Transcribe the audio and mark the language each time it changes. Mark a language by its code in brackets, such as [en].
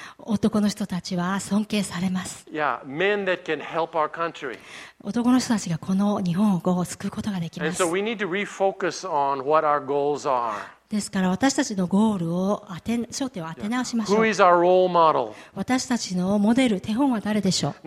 [ja] 男の人たちは尊敬されます。 [en] Yeah, men that can help our country. [ja] 男の人たちがこの日本を救うことができます。 [en] And so we need to refocus on what our goals are. [ja] ですから私たちのゴールを当て焦点を当て直しましょう。 [en] Who is our role model? [ja] 私たちのモデル、手本は誰でしょう。